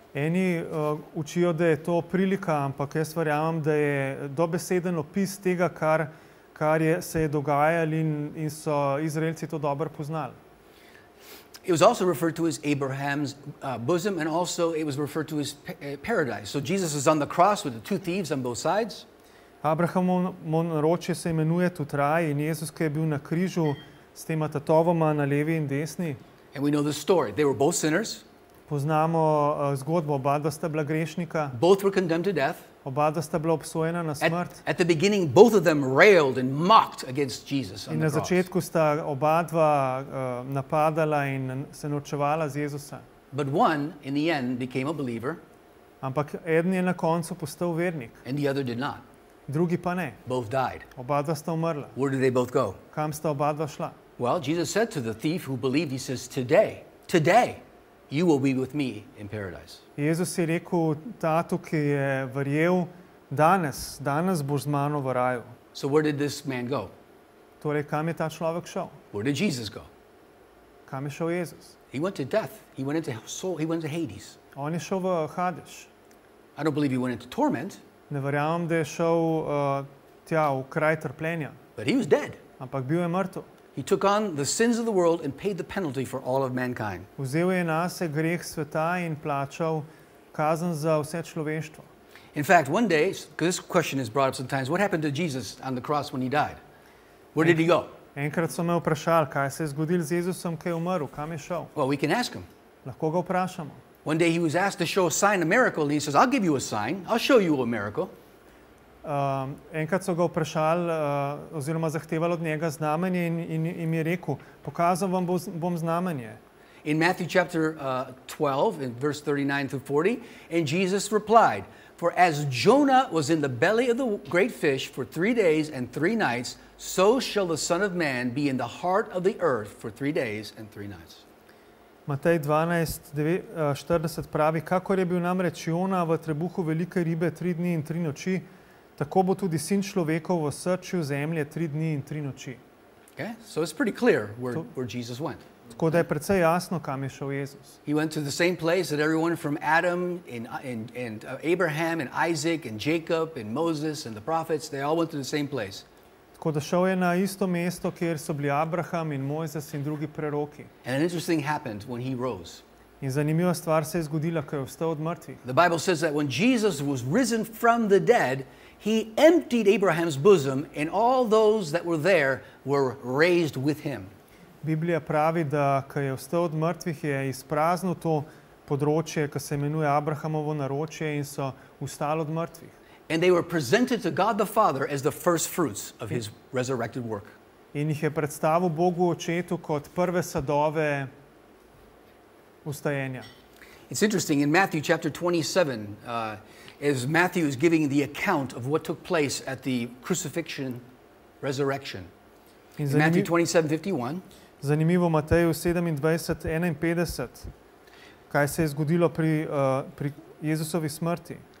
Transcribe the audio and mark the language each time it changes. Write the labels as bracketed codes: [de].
[sl] Eni učijo, da je to prilika, ampak jaz verjamem, da je dobeseden opis tega, kar je, se je dogajalo in so Izraelci to dobro poznali. [en] It was also referred to as Abraham's bosom, and also it was referred to as paradise. So Jesus is on the cross with the two thieves on both sides. [sl] Abrahamovo naročje se imenuje tudi raj in Jezus, ki je bil na križu s tema tatovoma na levi in desni. [en] And we know the story. They were both sinners. [sl] Poznamo zgodbo, oba dva sta bila grešnika. [en] Both were condemned to death. [sl] Oba dva sta bila obsojena na smrt. [en] At the beginning, both of them railed and mocked against Jesus on the cross. [sl] Na začetku sta oba dva napadala in se norčevala z Jezusa. [en] But one, in the end, became a believer. [sl] Ampak eden je na koncu postal vernik. [en] And the other did not. [sl] Drugi pa ne. [en] Both died. [sl] Oba dva sta umrla. [en] Where did they both go? [sl] Kam sta oba dva šla? [en] Well, Jesus said to the thief who believed, he says, today, you will be with me in paradise. [sl] Jezus je rekel tatu, ki je verjel, danes boš z mano v raju. [en] So where did this man go? [sl] Torej, kam je ta človek šel? [en] Where did Jesus go? [sl] Kam je šel Jezus? [en] He went to death. He went into soul. He went to Hades. [sl] On je šel v Hades. [en] I don't believe he went into torment. [sl] Ne verjamem, da je šel tja v kraj trpljenja. [en] But he was dead. [sl] Ampak bil je mrtv. [en] He took on the sins of the world and paid the penalty for all of mankind. [sl] Vzel je nase greh sveta in plačal kazen za vse človeštvo. [en] In fact, one day, this question is brought up sometimes, what happened to Jesus on the cross when he died? Where did he go? [sl] Enkrat so me vprašali, kaj se je zgodil z Jezusom, ki je umrl, kam je šel? [en] Well, we can ask him. [sl] Lahko ga vprašamo. [en] One day he was asked to show a sign, a miracle, and he says, I'll give you a sign, I'll show you a miracle. [sl] Enkrat so ga vprašali, oziroma zahtevali od njega znamenje in je rekel, pokazal vam bom znamenje. [en] In Matthew chapter 12, in verse 39 to 40, and Jesus replied, for as Jonah was in the belly of the great fish for 3 days and 3 nights, so shall the Son of Man be in the heart of the earth for 3 days and 3 nights. [sl] Matej 12:40 pravi, kakor je bil namreč Jona v trebuhu velike ribe 3 dni in 3 noči, tako bo tudi sin človekov v srčju zemlje 3 dni in 3 noči. [en] Okay, so it's pretty clear where Jesus went. [sl] Tako da je precej jasno, kam je šel Jezus. [en] He went to the same place that everyone from Adam and Abraham and Isaac and Jacob and Moses and the prophets, they all went to the same place. [sl] Tako da šel je na isto mesto, kjer so bili Abraham in Mojzes in drugi preroki. [en] And an interesting happened when he rose. [sl] In zanimiva stvar se je zgodila, ko je vstal od mrtvih. [en] The Bible says that when Jesus was risen from the dead, he emptied Abraham's bosom and all those that were there were raised with him. [sl] Biblija pravi, da ko je vstal od mrtvih, je izpraznil to področje, ko se imenuje Abrahamovo naročje in so vstali od mrtvih. [en] And they were presented to God the Father as the first fruits of his resurrected work. [sl] In jih je predstavil Bogu očetu kot prve sadove vstajenja. [en] It's interesting, in Matthew chapter 27, as Matthew is giving the account of what took place at the crucifixion, resurrection. In Matthew 27:51. [sl] Zanimivo, Mateju 27:51, kaj se je zgodilo pri Jezusovi smrti.